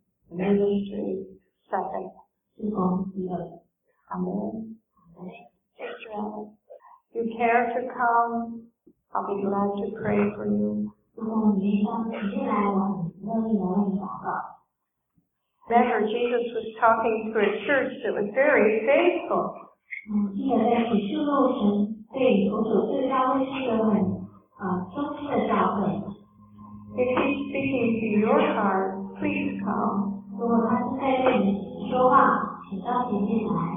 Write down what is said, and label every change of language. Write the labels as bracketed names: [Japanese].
[English] Ministry second. Amen. Sister Alice, if you care to come, I'll be glad to pray for you. [Chinese] 如果你愿意来，我很乐意为你祷告。 [English] Remember, Jesus was talking to a church that was very faithful. [Chinese] 记得在启示录神对你所指示的那位是一个很忠心的教会。 [English] If he's speaking to your heart, please come. [Chinese] 如果他是在对你说话，请到前面来。